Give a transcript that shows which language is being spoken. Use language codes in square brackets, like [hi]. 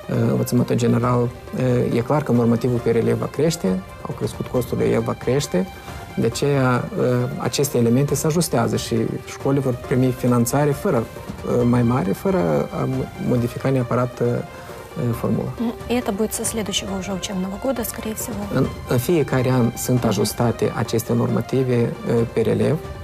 [ro] învățământul general, e clar că normativul per elev va crește, au crescut costurile, el va crește, de aceea aceste elemente se ajustează și școlile vor primi finanțare fără mai mare, fără a modifica neapărat formula. [ru] Это будет со следующего уже учебного года, скорее всего. [ro] În fiecare an sunt ajustate aceste normative per elev.